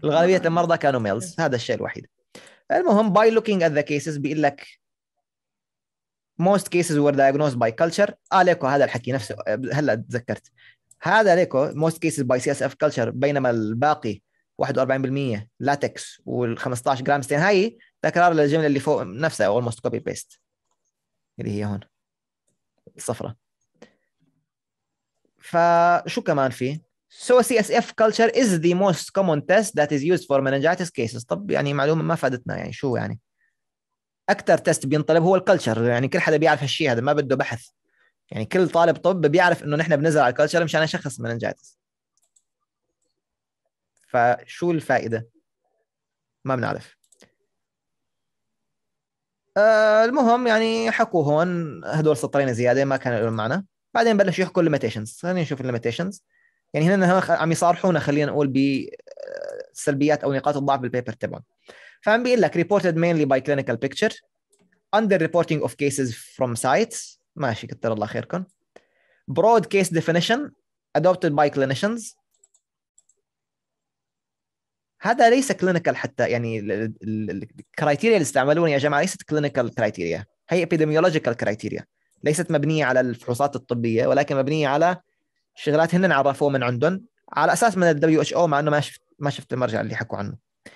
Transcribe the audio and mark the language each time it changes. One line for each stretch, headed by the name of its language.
Arabic: الغالبيه المرضى كانوا ميلز هذا الشيء الوحيد المهم
English: by looking at the cases
Arabic: بيقول لك
English: most cases were diagnosed by culture
Arabic: عليكو هذا الحكي نفسه هلا تذكرت هذا ليكو
English: most cases by CSF culture
Arabic: بينما الباقي 41% لاتكس وال15 جرام ستين، هاي تكرار للجملة اللي فوق نفسها
English: almost copy paste
Arabic: اللي هي هون الصفرة. فشو كمان فيه؟
English: So CSF culture is the most common test that is used for meningitis cases.
Arabic: طب يعني معلومة ما فادتنا، يعني شو يعني أكتر تست بينطلب هو الكلتشر، يعني كل حدا بيعرف هالشيء هذا ما بده بحث، يعني كل طالب طب بيعرف إنه نحن بنزرع الكلتشر مشان نشخص meningitis. فشو الفائدة؟ ما بنعرف. المهم يعني حكوا هون هدول سطرين زيادة ما كان لهم معنى، بعدين بلش يحكوا limitations. خلينا نشوف limitations، يعني هنا عم يصارحونا خلينا نقول بسلبيات أو نقاط الضعف بالبيبر تبعهم. فعم بيقول لك
English: reported mainly by clinical picture, under reporting of cases from sites.
Arabic: ماشي كتر الله خيركم.
English: Broad case definition adopted by clinicians.
Arabic: هذا ليس clinical حتى، يعني الكرايتيريا اللي استعملوني يا جماعة ليست
English: clinical criteria،
Arabic: هي
English: epidemiological criteria،
Arabic: ليست مبنية على الفحوصات الطبية ولكن مبنية على شغلات هنن عرفوه من عندن على أساس من الـ WHO، مع أنه ما شفت المرجع اللي حكوا عنه.